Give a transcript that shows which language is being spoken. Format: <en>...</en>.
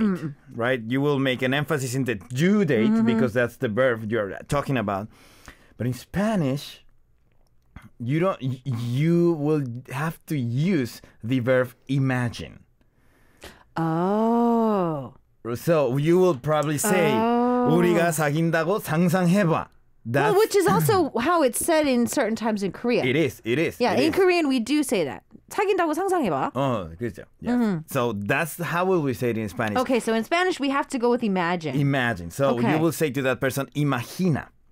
<en>Mm. Right? You will make an emphasis in the do date mm-hmm. because that's the verb you're talking about. But in Spanish, you will have to use the verb imagine. Oh. So you will probably say, oh.</en> <ko>우리가 사귄다고 상상해봐.</ko> <en>That's well, which is also how it's said in certain times in Korea. It is, it is. Yeah, it in Korean we do say that.</en> <ko>사귄다고 상상해봐. Oh, 그렇죠. Yeah. Mm-hmm.</ko> <en>So that's how will we say it in Spanish. Okay, so in Spanish we have to go with imagine. Imagine. So okay. you will say to that person, imagina.</en>